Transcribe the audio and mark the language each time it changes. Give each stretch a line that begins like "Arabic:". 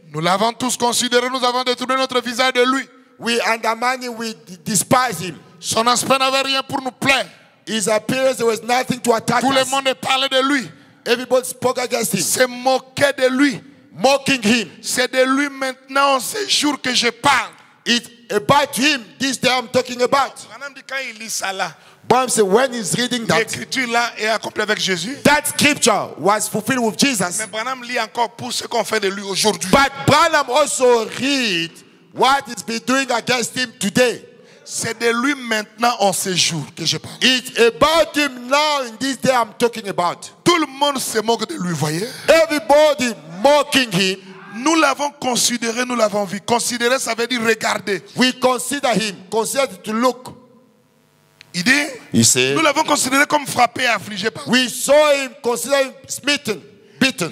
French: Nous l'avons tous considéré. Nous avons détourné notre visage de lui.
English: We undermine him. We despise him.
French: Son aspect n'avait rien pour nous plaire.
English: His appearance, there was nothing to attack.
French: Tout le monde parlait de lui.
English: Everybody spoke against him.
French: Se moquait de lui.
English: Mocking him.
French: C'est de lui maintenant, ces jours que je parle.
English: It's about him, this day I'm talking about.
French: Quand il lit ça là,
English: Bram said, when he's reading that,
French: l'écriture là est accomplie avec Jésus.
English: That scripture was fulfilled with Jesus.
French: Mais Branham lit encore pour ce qu'on fait de lui aujourd'hui.
English: But Branham also read what he's been doing against him today.
French: C'est de lui maintenant en ces jours que je parle.
English: It's about him now in this day I'm talking about.
French: Tout le monde se moque de lui, voyez?
English: Everybody mocking him.
French: Nous l'avons considéré, nous l'avons vu. Considérer, ça veut dire regarder.
English: We consider him. Consider to look.
French: Il dit?
English: He said.
French: Nous l'avons considéré comme frappé, affligé par.
English: We saw him, consider him smitten, beaten.